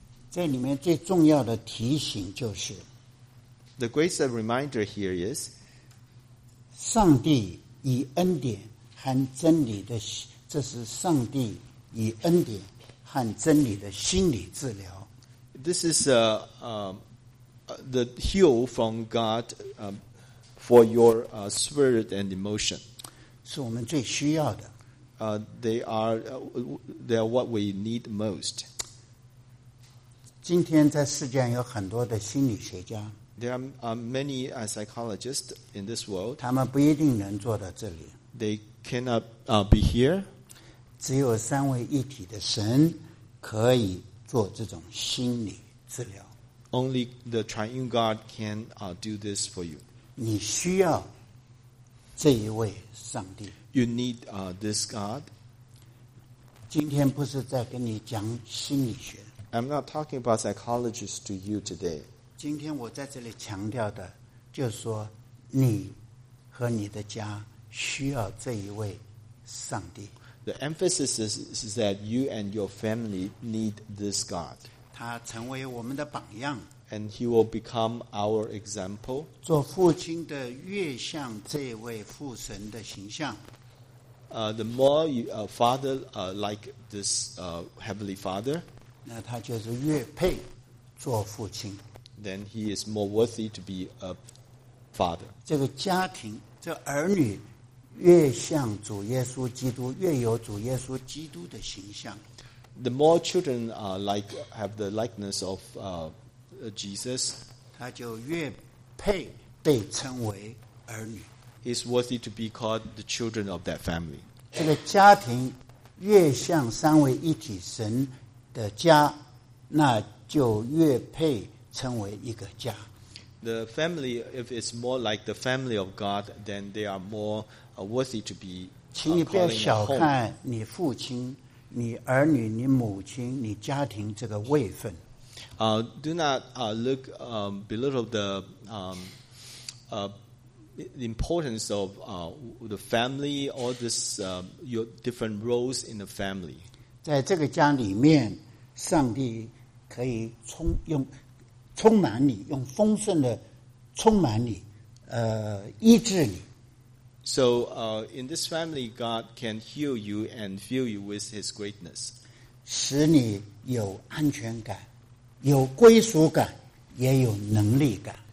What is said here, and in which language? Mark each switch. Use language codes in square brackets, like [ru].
[zh] 在里面最重要的提醒就是 [en] The greatest reminder here is [zh] 上帝以恩典和真理的这是上帝以恩典和真理的心理治疗 [en] This is the heal from God for your spirit and emotion [zh] 是我们最需要的 [en] they are what we need most [zh] 今天在世界上有很多的心理学家 [en] There are many psychologists in this world [zh] 他们不一定能坐到这里 [en] They cannot be here [zh] 只有三位一体的神可以做这种心理治疗 [en] Only the triune God can do this for you [zh] 你需要这一位上帝 [en] You need this God [zh] 今天不是在跟你讲心理学 [en] I'm not talking about psychologists to you today. [zh] 今天我在这里强调的就是说你和你的家需要这一位上帝。 [en] The emphasis is that you and your family need this God. [zh] 他成为我们的榜样。 [en] And he will become our example. [zh] 做父亲的越像这位父神的形象。 [en] The more you, father like this heavenly father, [zh] 那他就是越配做父亲 [en] Then he is more worthy to be a father [zh] 这个家庭这个、儿女越像主耶稣基督越有主耶稣基督的形象 [en] The more children are like, have the likeness of Jesus [zh] 他就越配被称为儿女 [en] He is worthy to be called the children of that family [zh] 这个家庭越像三位一体神的家，那就越配称为一个家。 [en] The family, if it's more like the family of God, then they are more worthy to be. [zh] 请你不要小看你父亲、你儿女、你母亲、你家庭这个位分。 [en] Do not look belittle the importance of the family or this your different roles in the family. [zh] 在这个家里面，上帝可以充满你，用丰盛的充满你，医治你。 [en] So, in this family, God can heal you and fill you with His greatness. [zh] 使你有安全感，有归属感，也有能力感。